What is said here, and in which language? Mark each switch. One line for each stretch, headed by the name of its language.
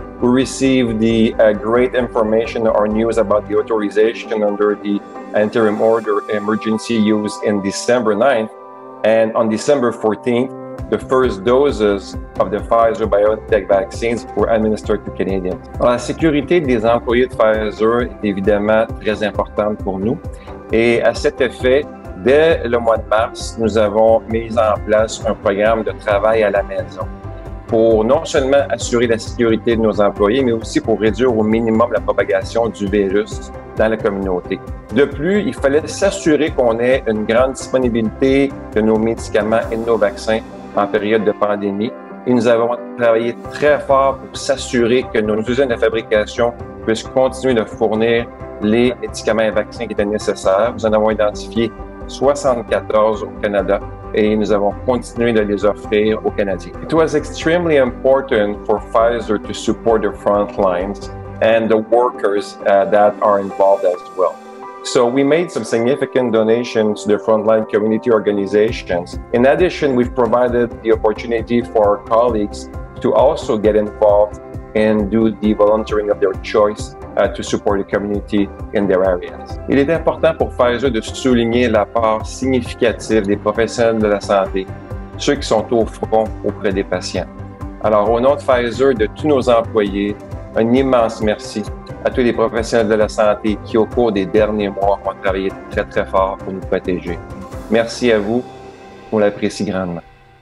English: We received the great information or news about the authorization under the interim order emergency use in December 9th. And on December 14th, the first doses of the Pfizer-BioNTech vaccines were administered to Canadians.
French: La sécurité des employés de Pfizer est évidemment très importante pour nous. Et à cet effet, dès le mois de mars, nous avons mis en place un programme de travail à la maison pour non seulement assurer la sécurité de nos employés, mais aussi pour réduire au minimum la propagation du virus dans la communauté. De plus, il fallait s'assurer qu'on ait une grande disponibilité de nos médicaments et de nos vaccins en période de pandémie. Et nous avons travaillé très fort pour s'assurer que nos usines de fabrication puissent continuer de fournir les médicaments et vaccins qui étaient nécessaires. Nous en avons identifié 74 au Canada et nous avons continué de les offrir aux Canadiens.
English: It was extremely important for Pfizer to support the front lines and the workers that are involved as well. So we made some significant donations to the frontline community organizations. In addition, we've provided the opportunity for our colleagues to also get involved and do the volunteering of their choice to support the community in their areas.
French: Il est important pour Pfizer de souligner la part significative des professionnels de la santé, ceux qui sont au front auprès des patients. Alors, au nom de Pfizer, de tous nos employés, un immense merci à tous les professionnels de la santé qui, au cours des derniers mois, ont travaillé très, très fort pour nous protéger. Merci à vous, on l'apprécie grandement.